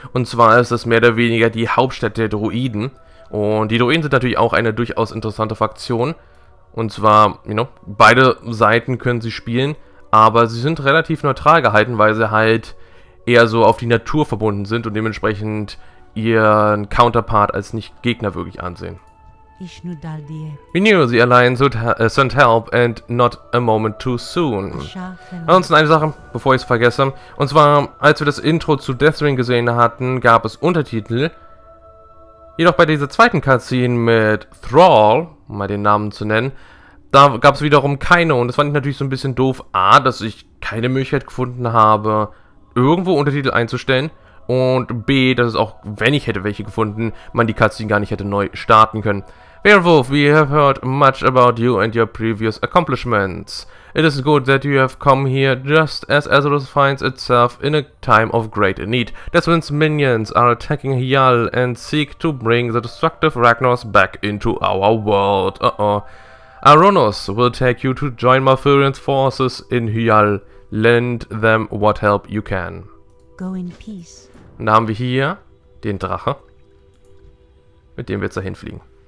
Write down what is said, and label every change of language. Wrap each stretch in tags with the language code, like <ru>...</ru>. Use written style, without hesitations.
<de>Und zwar ist das mehr oder weniger die Hauptstadt der Druiden. Und die Druiden sind natürlich auch eine durchaus interessante Fraktion. Und zwar, beide Seiten können sie spielen. Aber sie sind relativ neutral gehalten, weil sie halt eher so auf die Natur verbunden sind. Und dementsprechend ihren Counterpart als nicht Gegner wirklich ansehen.</de> <en>We knew the Alliance would send help and not a moment too soon.</en> <de>Ansonsten eine Sache, bevor ich es vergesse. Und zwar, als wir das Intro zu Deathwing gesehen hatten, gab es Untertitel. Jedoch bei dieser zweiten Cutscene mit Thrall, um mal den Namen zu nennen, da gab es wiederum keine. Und das fand ich natürlich so ein bisschen doof. A, dass ich keine Möglichkeit gefunden habe, irgendwo Untertitel einzustellen. Und B, dass es auch, wenn ich hätte welche gefunden, man die Cutscene gar nicht hätte neu starten können.</de> <en>Werewolf, we have heard much about you and your previous accomplishments. It is good that you have come here just as Azeroth finds itself in a time of great need. Deathwing's minions are attacking Hiyal and seek to bring the destructive Ragnaros back into our world. Aronos will take you to join Malfurion's forces in Hiyal. Lend them what help you can. Go in peace.</en> <de>Und da haben wir hier den Drache, mit dem wir jetzt dahin fliegen.</de>